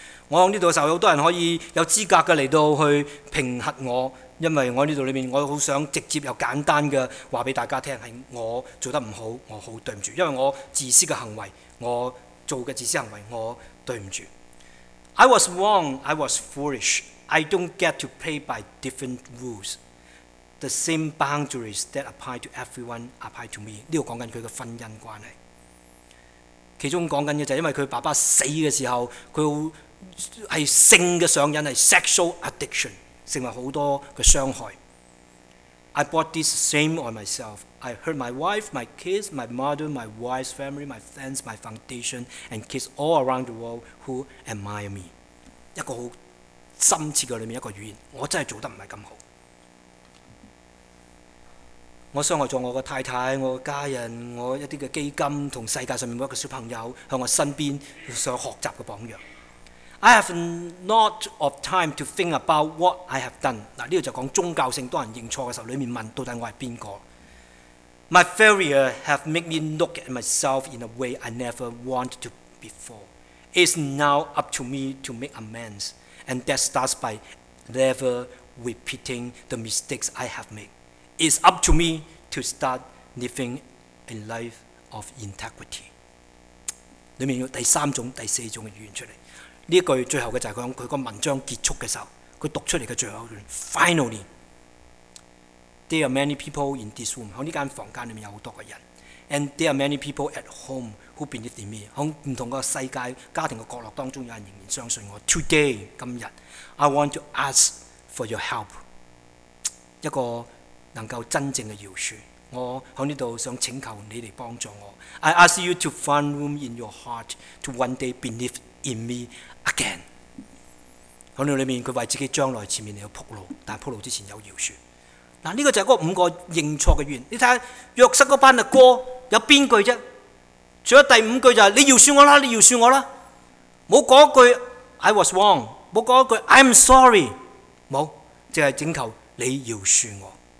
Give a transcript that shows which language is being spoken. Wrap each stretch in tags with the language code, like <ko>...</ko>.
<zh>我在这里的时候，很多人可以有资格的来到去评核我，因为我在这里面，我很想直接又简单的告诉大家，是我做得不好，我很对不住，因为我自私的行为，我做的自私行为，我对不住。</zh> <en>I was wrong, I was foolish. I don't get to play by different rules. The same boundaries that apply to everyone apply to me.</en> <zh>这个讲他的婚姻关系。其中讲的就是因为他爸爸死的时候，他是性的上瘾，是 sexual addiction， 成为很多的伤害。</zh> <en>I brought this shame on myself. I hurt my wife, my kids, my mother, my wife's family, my friends, my foundation, and kids all around the world who admire me.</en> <zh>一个很深切的里面一个语言，我真的做得不是那么好，我伤害了我的太太，我的家人，我一些的基金和世界上每一个小朋友向我身边所学习的榜样。</zh> <en>I have not of time to think about what I have done。</en> <zh>这就讲宗教性，当人认错的时候里面问到底我是谁。</zh> <en>My failure have made me look at myself in a way I never wanted to before. It's now up to me to make amendsAnd that starts by never repeating the mistakes I have made. It's up to me to start living a life of integrity.</en> <zh>里面有第三种、第四种的语言出来。这句最后的就是他的文章结束的时候，他读出来的最后一段。</zh> <en>Finally, there are many people in this room.</en> <zh>在这间房间里面有很多人。</zh> <en>And there are many people at home who believe in me.</en> <zh>在不同的世界、家庭的角落当中，有人仍然相信我。</zh> <en>Today, 今日 I want to ask for your help.</en> <zh>一个能够真正的饶恕，我在这里想请求你来帮助我。</zh> <en>I ask you to find room in your heart to one day believe in me again.</en> <zh>在这里面，他为自己将来前面要铺路，但铺路之前有饶恕。这个就是那五个认错的原因。你看约瑟那班的歌有哪句呢？除了第五句就是你饶恕我啦，你饶恕我啦，没有那句</zh> <en>I was wrong，</en> <zh>没有那句</zh> <en>I'm sorry，</en> <zh>没有，只是请求你饶恕我。</zh>